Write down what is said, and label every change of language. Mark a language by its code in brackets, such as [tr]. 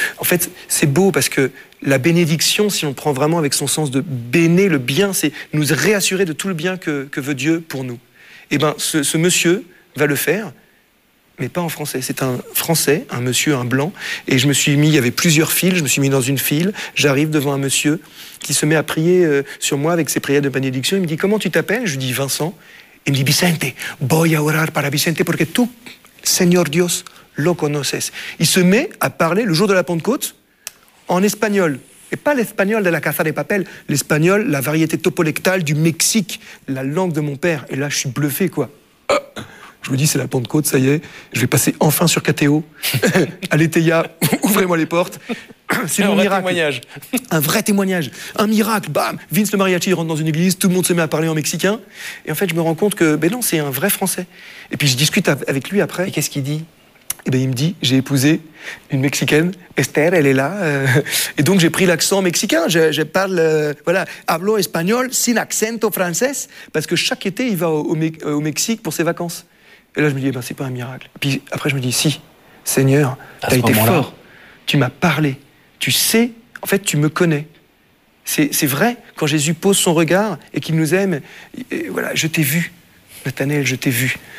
[fr] En fait, c'est beau parce que la bénédiction, si on prend vraiment avec son sens de béné, le bien, c'est nous réassurer de tout le bien que veut Dieu pour nous. Eh bien, ce monsieur va le faire, mais pas en français. C'est un français, un monsieur, un blanc. Et je me suis mis, il y avait plusieurs files, je me suis mis dans une file. J'arrive devant un monsieur qui se met à prier sur moi avec ses prières de bénédiction. Il me dit, comment tu t'appelles? Je lui dis, Vincent. Il me dit, [es] Vicente, voy a orar para Vicente, porque tú, Señor Dios, lo conoces. [fr] Il se met à parler le jour de la Pentecôte en espagnol. Et pas l'espagnol de la Casa de Papel, l'espagnol, la variété topolectale du Mexique, la langue de mon père. Et là, je suis bluffé, quoi. Je me dis, c'est la Pentecôte, ça y est, je vais passer enfin sur Cateo. Allez, Teia, ouvrez-moi les portes. C'est un vrai miracle. Témoignage. Un vrai témoignage. Un miracle, bam. Vince le mariachi rentre dans une église, tout le monde se met à parler en mexicain. Et en fait, je me rends compte que, ben non, c'est un vrai français. Et puis, je discute avec lui après. Et qu'est-ce qu'il dit? Eh bien, il me dit, j'ai épousé une Mexicaine, Esther, elle est là. Et donc, j'ai pris l'accent mexicain. Je parle, voilà, [es] hablo español sin acento francés. [fr] Parce que chaque été, il va au Mexique pour ses vacances. Et là, je me dis, eh bien, c'est pas un miracle. Et puis après, je me dis, si, Seigneur, tu as été fort. Tu m'as parlé. Tu sais, en fait, tu me connais. C'est vrai, quand Jésus pose son regard et qu'il nous aime, et voilà, je t'ai vu, Nathanaël, je t'ai vu.